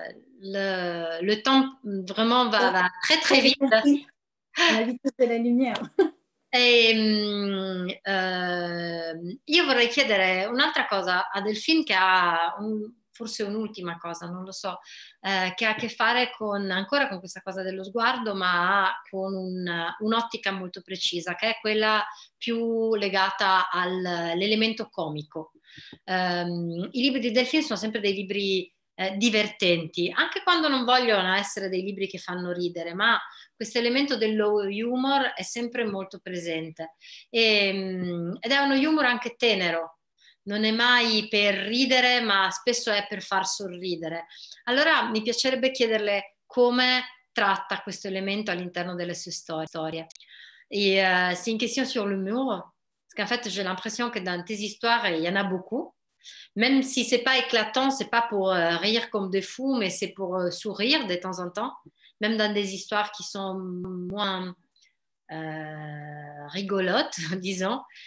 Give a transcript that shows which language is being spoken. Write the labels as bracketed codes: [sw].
[fr] Le temps vraiment va très très vite. La vitesse della lumière. [it] Io vorrei chiedere un'altra cosa a Delphine, che ha forse un'ultima cosa, non lo so, che ha a che fare con ancora con questa cosa dello sguardo, ma con un'ottica molto precisa, che è quella più legata all'elemento comico. I libri di Delphine sono sempre dei libri divertenti, anche quando non vogliono essere dei libri che fanno ridere, ma questo elemento dello humor è sempre molto presente. Ed è uno humor anche tenero. Non è mai per ridere, ma spesso è per far sorridere. Allora mi piacerebbe chiederle come tratta questo elemento all'interno delle sue storie. [fr] Et c'est une question sur l'humour, parce qu'en fait j'ai l'impression que dans tes histoires il y en a beaucoup. Même si c'est pas éclatant, c'est pas pour rire comme des fous, mais c'est pour sourire de temps en temps, même dans des histoires qui sont moins rigolotes, disons.